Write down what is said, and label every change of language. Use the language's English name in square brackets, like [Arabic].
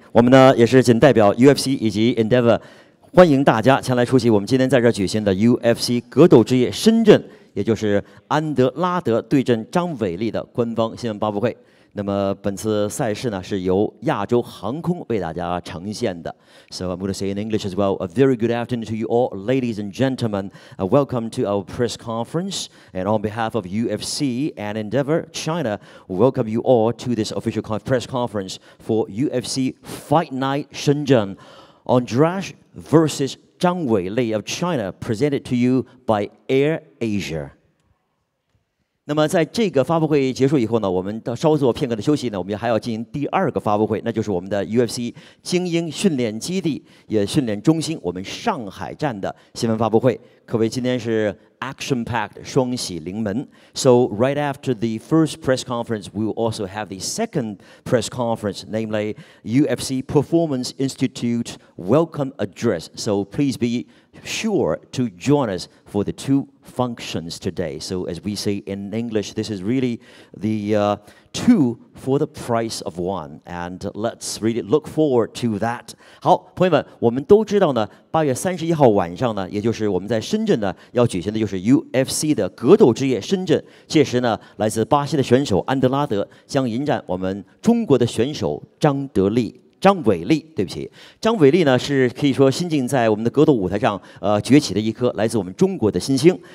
[Chinese] 我们呢也是仅代表 UFC 以及 Endeavor 欢迎大家前来出席我们今天在这举行的 UFC 格斗之夜深圳，也就是安德拉德对阵张伟丽的官方新闻发布会。那么本次赛事呢是由亚洲航空为大家呈现的。 [English] So I'm going to say in English as well, a very good afternoon to you all, ladies and gentlemen. Welcome to our press conference. And on behalf of UFC and Endeavor China, welcome you all to this official press conference for UFC Fight Night Shenzhen. Andrash versus 张伟丽 of China, presented to you by Air Asia. [Chinese] 那么在这个发布会结束以后呢，我们稍作片刻的休息呢，我们还要进行第二个发布会，那就是我们的 UFC 精英训练基地也训练中心我们上海站的新闻发布会，可谓今天是 [English] action packed [Chinese] 双喜临门。 [English] So right after the first press conference we will also have the second press conference, namely UFC Performance Institute Welcome Address, so please be sure to join us for the two functions today. So as we say in English, this is really the two for the price of one. And let's really look forward to that. [Chinese] 好，朋友们，我们都知道呢，八月三十一号晚上呢，也就是我们在深圳呢要举行的就是 UFC 的格斗之夜深圳。届时呢，来自巴西的选手安德拉德将迎战我们中国的选手张德利。张伟丽，对不起，张伟丽呢是可以说新晋在我们的格斗舞台上崛起的一颗来自我们中国的新星。